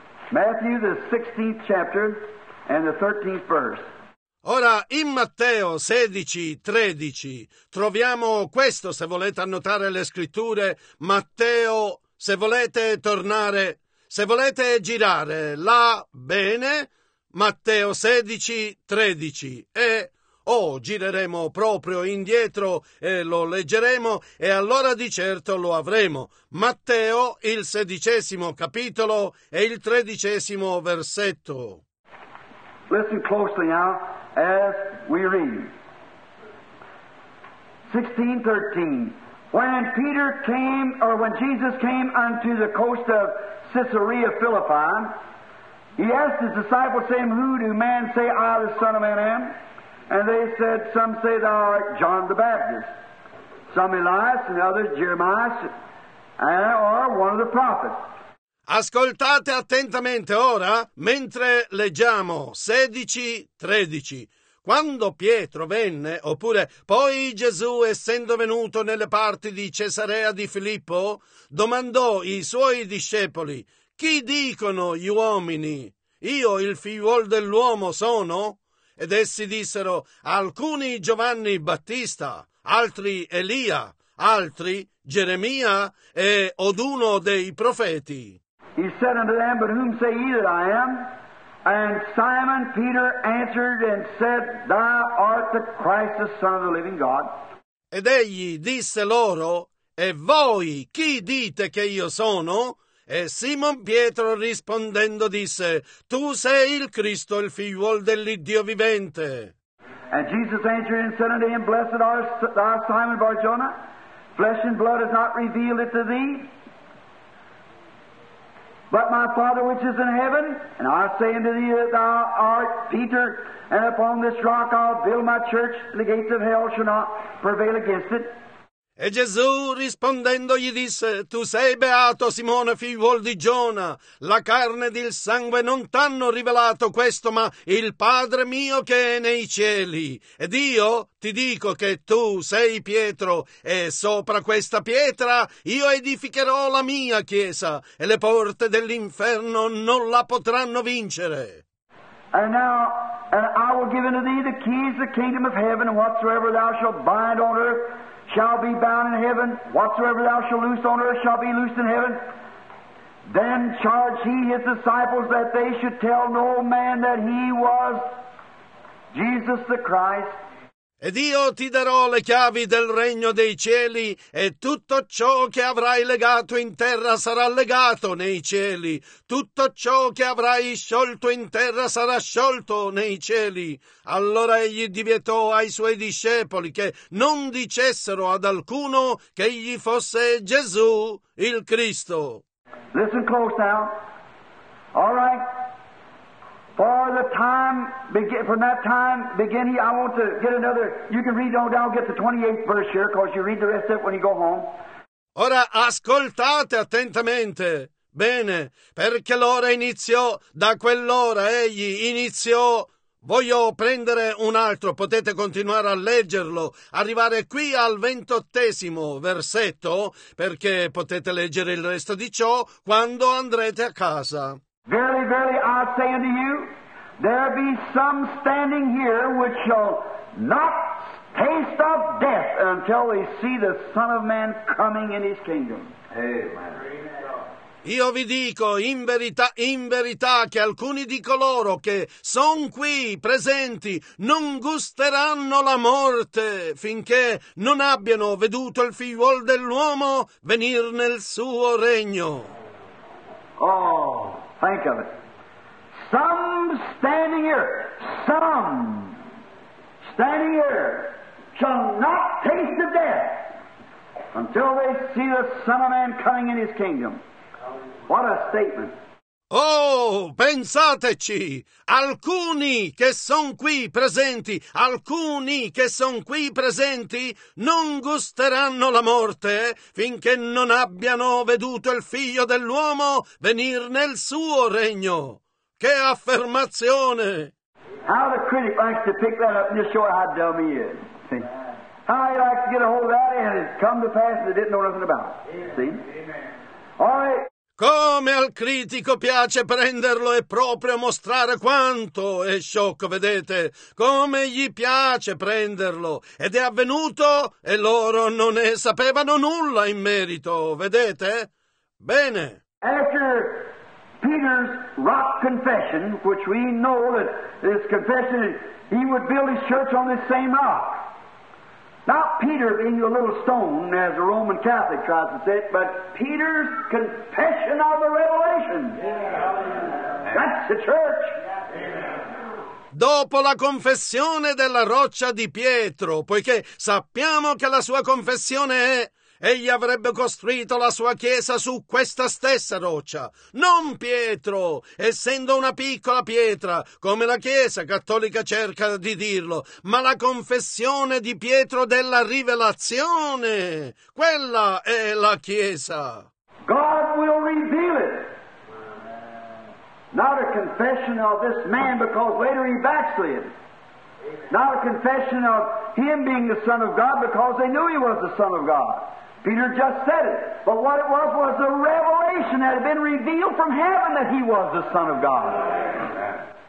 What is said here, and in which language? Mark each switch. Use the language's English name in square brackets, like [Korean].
[English] Matthew, the 16th chapter, and the 13th verse. [Italian] Ora, in Matteo 16, 13, troviamo questo, se volete annotare le scritture, Matteo, se volete tornare... Se volete girare là, bene, Matteo 16, 13, gireremo proprio indietro e lo leggeremo, e allora di certo lo avremo. Matteo, il 16° capitolo e il 13° versetto. [English] Listen closely now as we read. 16:13. When Jesus came unto the coast of Caesarea Philippi, he asked his disciples, saying, who do men say I, the Son of Man, am? And they said, some say thou art John the Baptist, some Elias, and others Jeremiah, and or one of the prophets. [Italian] Ascoltate attentamente ora, mentre leggiamo 16:13. Quando Pietro venne, oppure poi Gesù, essendo venuto nelle parti di Cesarea di Filippo, domandò i suoi discepoli, chi dicono gli uomini? Io il figliuol dell'uomo sono? Ed essi dissero, alcuni Giovanni Battista, altri Elia, altri Geremia e od uno dei profeti. [English] He said unto them, but whom say ye that I am? And Simon Peter answered and said, Thou art the Christ, the Son of the living God. [Italian] Ed egli disse loro, E voi chi dite che io sono? E Simon Pietro rispondendo disse, Tu sei il Cristo, il figliuol dell'Iddio vivente. [English] And Jesus answered and said unto him, Blessed art thou, Simon Barjona, flesh and blood has not revealed it to thee. But my Father which is in heaven, and I say unto thee that thou art Peter, and upon this rock I'll build my church, and the gates of hell shall not prevail against it. [Italian] E Gesù rispondendogli disse: tu sei beato, Simone, figliuol di Giona. La carne ed il sangue non t'hanno rivelato questo, ma il Padre mio che è nei cieli. Ed io ti dico che tu sei Pietro, e sopra questa pietra io edificherò la mia chiesa, e le porte dell'inferno non la potranno vincere. [English] And I will give unto thee the keys of the kingdom of heaven, and whatsoever thou shalt bind on earth shall be bound in heaven, whatsoever thou shalt loose on earth shall be loosed in heaven. Then charged he his disciples that they should tell no man that he was Jesus the Christ. [Italian] Ed io ti darò le chiavi del regno dei cieli, e tutto ciò che avrai legato in terra sarà legato nei cieli. Tutto ciò che avrai sciolto in terra sarà sciolto nei cieli. Allora egli divietò ai suoi discepoli che non dicessero ad alcuno che egli fosse Gesù il Cristo. [English] Listen close now. All right. For the time, from that time beginning, I want to get another, you can read on down, get the 28th verse here, because you read the rest of it when you go home. [Italian] Ora ascoltate attentamente. Bene, perché l'ora iniziò, da quell'ora egli iniziò. Voglio prendere un altro, potete continuare a leggerlo, arrivare qui al 28esimo versetto, perché potete leggere il resto di ciò quando andrete a casa. [English] Verily, verily, I say unto you, there be some standing here which shall not taste of death until they see the Son of Man coming in his kingdom. Amen. [Italian] Io vi dico, in verità, che alcuni di coloro che son qui presenti non gusteranno la morte finché non abbiano veduto il figliuol dell'uomo venir nel suo regno. [English] Oh, think of it. Some standing here, some standing here shall not taste of death until they see the Son of Man coming in his kingdom. What a statement. [Italian] Oh, pensateci! Alcuni che son qui presenti, alcuni che son qui presenti, non gusteranno la morte finché non abbiano veduto il figlio dell'uomo venir nel suo regno. Che affermazione! [English] How the critic likes to pick that up and just show how dumb he is. See? How he likes to get a hold of that and it's come to pass that it didn't know nothing about. See? All right. [Italian] Come al critico piace prenderlo e proprio mostrare quanto è sciocco, vedete? Come gli piace prenderlo. Ed è avvenuto e loro non ne sapevano nulla in merito, vedete? Bene. [English] After Peter's rock confession, which we know that his confession is he would build his church on this same rock. Not Peter being a little stone, as the Roman Catholic tries to say it, but Peter's confession of the revelation. Yeah. That's the church. [Italian] Dopo la confessione della roccia di Pietro, poiché sappiamo che la sua confessione è egli avrebbe costruito la sua chiesa su questa stessa roccia, non Pietro, essendo una piccola pietra, come la Chiesa cattolica cerca di dirlo, ma la confessione di Pietro della rivelazione, quella è la chiesa. [English] God will reveal it. Not a confession of this man, because later he backslid. Not a confession of him being the Son of God, because they knew he was the Son of God. Peter just said it, but what it was a revelation that had been revealed from heaven that he was the Son of God.